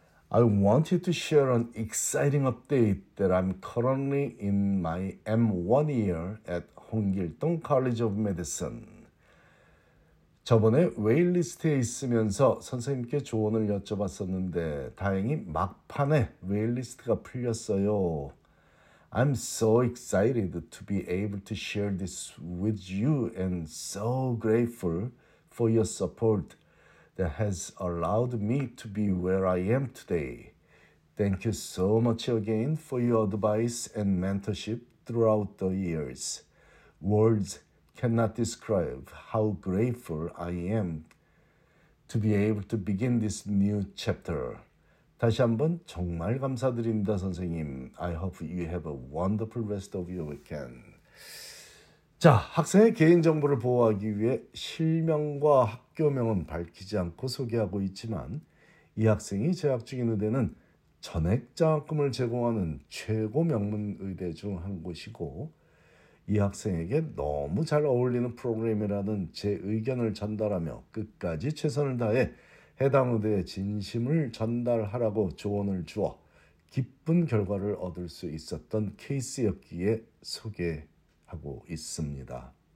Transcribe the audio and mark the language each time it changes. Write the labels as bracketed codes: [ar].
[en] I want you to share an exciting update that I'm currently in my M1 year at 홍길동 College of Medicine. [ko] 저번에 웨일리스트에 있으면서 선생님께 조언을 여쭤봤었는데 다행히 막판에 웨일리스트가 풀렸어요. [en] I'm so excited to be able to share this with you and so grateful for your support that has allowed me to be where I am today. Thank you so much again for your advice and mentorship throughout the years. Words cannot describe how grateful I am to be able to begin this new chapter. [ko] 다시 한번 정말 감사드립니다, 선생님. [en] I hope you have a wonderful rest of your weekend. [ko] 자, 학생의 개인정보를 보호하기 위해 실명과 학교명은 밝히지 않고 소개하고 있지만 이 학생이 재학 중인 의대는 전액 장학금을 제공하는 최고 명문 의대 중 한 곳이고 이 학생에게 너무 잘 어울리는 프로그램이라는 제 의견을 전달하며 끝까지 최선을 다해 해당 의대에 진심을 전달하라고 조언을 주어 기쁜 결과를 얻을 수 있었던 케이스였기에 소개하고 있습니다.